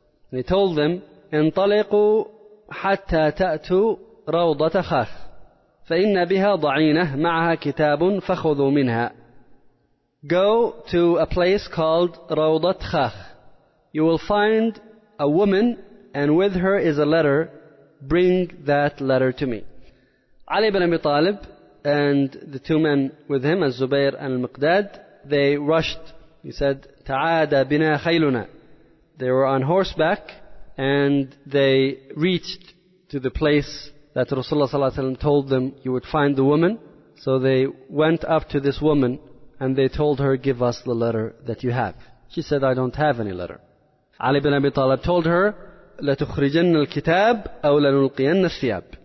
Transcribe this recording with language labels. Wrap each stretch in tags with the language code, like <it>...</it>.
<en>And he told them,</en> <ar>انطلقوا حتى تأتوا روضة خاف فإن بها ضعينة معها كتاب فخذوا منها.</ar> <en>Go to a place called Rawdat Khakh. You will find a woman and with her is a letter. Bring that letter to me. Ali ibn Abi Talib and the two men with him, Al-Zubayr and Al-Miqdad, they rushed. He said,</en> <ar>تَعَادَ بِنَا خَيْلُنَا.</ar> <en>They were on horseback and they reached to the place that Rasulullah Sallallahu Alaihi Wasallam told them you would find the woman. So they went up to this woman and they told her, give us the letter that you have. She said, I don't have any letter. Ali ibn Abi Talib told her,</en> <ar>لَتُخْرِجَنَّ الْكِتَابَ أَوْ لَنُلْقِيَنَّ الثِّيَابَ.</ar>